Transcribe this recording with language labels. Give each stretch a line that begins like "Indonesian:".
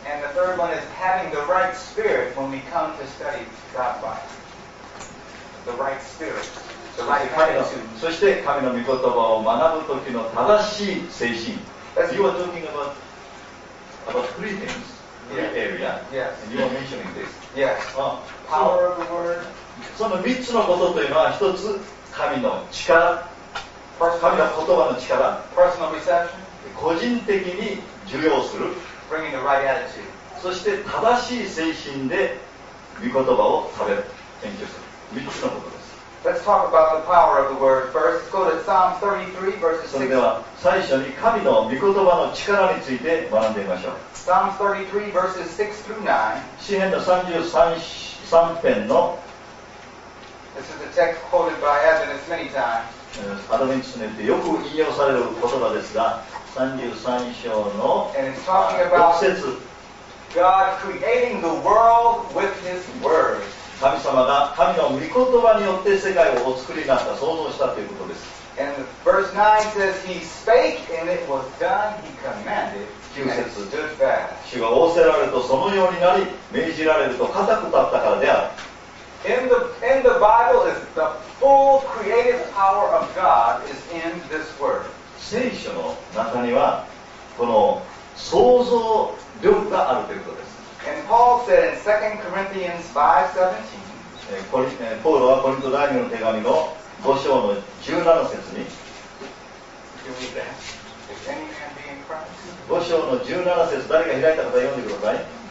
English: And the third one is having the right spirit when we come to study God's word. The right spirit. The right attitude.
Japanese: そして神の御言葉を学ぶ時の正しい精神。
English: That's you are talking about three things, three area. Yes. And you are mentioning this. Yes. Power of the word.
Japanese: その3つのことというのは一つ神の力。神の言葉の力、個人的に受容する、
English: bringing the right attitude.
Japanese: そして正しい精神で御言葉を食べる、研究する、三つのことです。
English: Let's talk about the power of the word first. Go to Psalm 33, verse 6.
Japanese: それでは最初に神の御言葉の力について学んでみましょう。
English: Psalm 33, verses 6 through 9.
Japanese: 詩編の33編の。
English: This is a text quoted by Adventists many times.
Japanese: アドベンチスによってよく引用される言葉ですが、33章の6節、
English: God creating the world with his word.
Japanese: 神様が神の御言葉によって世界をお作りになった、創造したということです。
English: And verse 9 says, He spake and it was done, He commanded.
Japanese: 9節、主が仰せられるとそのようになり、命じられると固く立ったからである。
English: In the Bible is the full creative power of God is in this word.
Japanese: 聖書の中にはこの創造力があるということです。
English: And Paul said in 2 Corinthians 5:17.
Japanese: ポールはコリント第2の手紙の5章の17節に。
English: Can you read that? If any man be in Christ.
Japanese: 5章の17節、誰か開いた方読んでください。